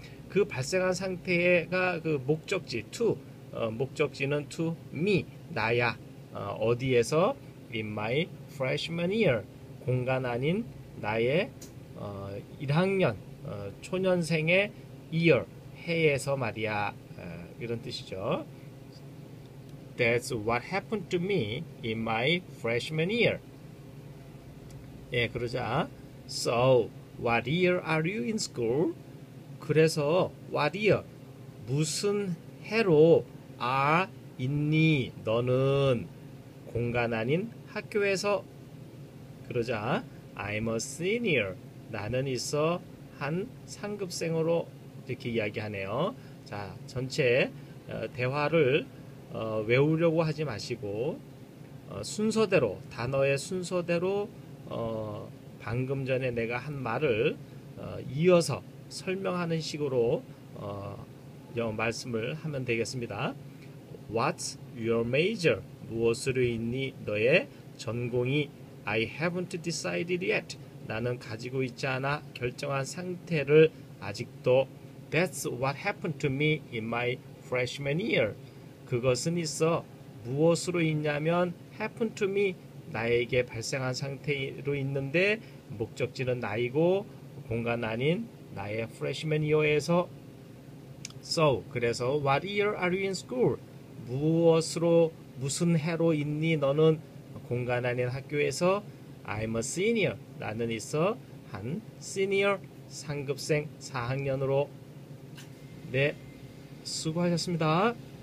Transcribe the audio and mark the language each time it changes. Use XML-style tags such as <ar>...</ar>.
<ko>그 발생한 상태가 그 목적지 to 목적지는 to me 나야. 어디에서?</ko> <en>In my freshman year</en> <ko>공간 아닌 나의 1학년 초년생의 year 해에서 말이야. 이런 뜻이죠.</ko> <en>That's what happened to me in my freshman year.</en> <ko>예, 그러자.</ko> <en>So, what year are you in school?</en> <ko>그래서,</ko> <en>what year?</en> <ko>무슨 해로 are 있니? 너는 공간 아닌 학교에서. 그러자.</ko> <en>I'm a senior.</en> <ko>나는 있어 한 상급생으로. 이렇게 이야기하네요. 자, 전체 대화를 외우려고 하지 마시고 순서대로, 단어의 순서대로 방금 전에 내가 한 말을 이어서 설명하는 식으로 말씀을 하면 되겠습니다.</ko> <en>What's your major?</en> <ko>무엇으로 있니? 너의 전공이.</ko> <en>I haven't decided yet.</en> <ko>나는 가지고 있지 않아. 결정한 상태를 아직도.</ko> <en>That's what happened to me in my freshman year.</en> <ko>그것은 있어. 무엇으로 있냐면</ko> <en>happen to me.</en> <ko>나에게 발생한 상태로 있는데 목적지는 나이고 공간 아닌 나의 freshman year에서.</ko> <en>So,</en> <ko>그래서</ko> <en>what year are you in school?</en> <ko>무엇으로, 무슨 해로 있니 너는 공간 아닌 학교에서.</ko> <en>I'm a senior.</en> <ko>나는 있어 한 senior 상급생 4학년으로. 네, 수고하셨습니다.</ko>